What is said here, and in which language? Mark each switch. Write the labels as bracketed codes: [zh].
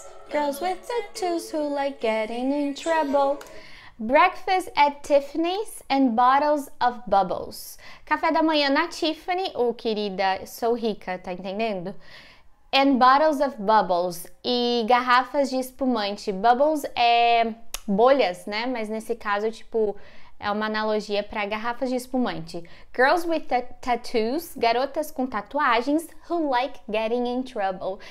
[en] Girls with tattoos who like getting in trouble. Breakfast at Tiffany's and bottles of bubbles. [pt] Café da manhã na Tiffany, oh, querida, sou rica, tá entendendo? [en] And bottles of bubbles. [pt] E garrafas de espumante. Bubbles é bolhas, né? Mas nesse caso, tipo, é uma analogia para garrafas de espumante. [en] Girls with tattoos, [pt] garotas com tatuagens, [en] who like getting in trouble.